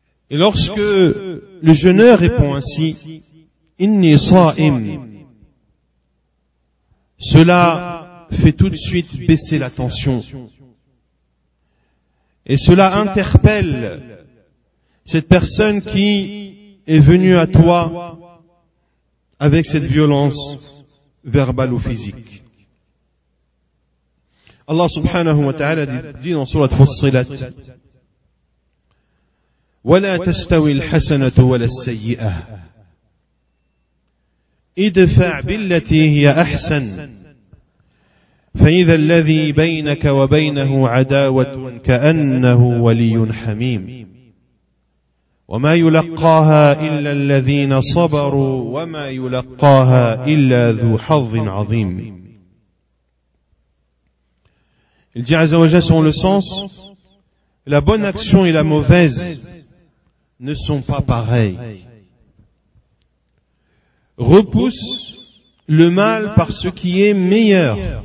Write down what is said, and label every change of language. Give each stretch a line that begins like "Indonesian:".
French: Et lorsque le jeûneur répond ainsi,
Arabic: Inni sa'im,
French: cela fait tout de suite baisser la tension. Et cela interpelle cette personne qui est venue à toi avec cette violence verbale ou physique. Allah subhanahu wa ta'ala dit dans sourate Fussilat,
Arabic: وَلَا تَسْتَوِي الْحَسَنَةُ وَلَا السَّيِّئَةُ اِدْفَعْ بِالَّتِي هِيَ أَحْسَنُ فَإِذَا الَّذِي بَيْنَكَ وَبَيْنَهُ عَدَاوَةٌ كَأَنَّهُ وَلِيٌّ حَمِيمٌ وَمَا يُلَقَّاهَا إِلَّا الَّذِينَ صَبَرُوا وَمَا يُلَقَّاهَا إِلَّا ذُو حَظٍّ عَظِيمٍ
French: Il dit à Azawajah son le sens, la bonne action et la mauvaise ne sont pas pareilles. Repousse le mal par ce qui est meilleur.